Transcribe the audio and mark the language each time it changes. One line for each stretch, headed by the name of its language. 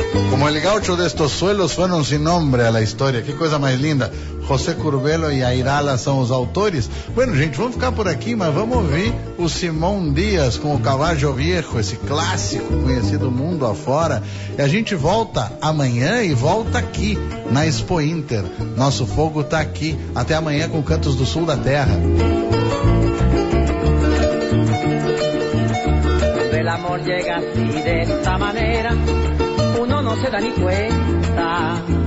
Spanish: Como el gaucho de estos suelos fueron sin nombre a la historia. Qué cosa más linda.
Portuguese: José Curbelo e Airala são os autores. Bueno, gente, vamos ficar por aqui, mas vamos ouvir o Simão Dias com o Cavalho Viejo, esse clássico conhecido mundo afora. E a gente volta amanhã e volta aqui na Expo Inter. Nosso fogo tá aqui. Até amanhã com Cantos do Sul da Terra.
Spanish: El amor llega así de esta manera, uno no se da ni cuenta.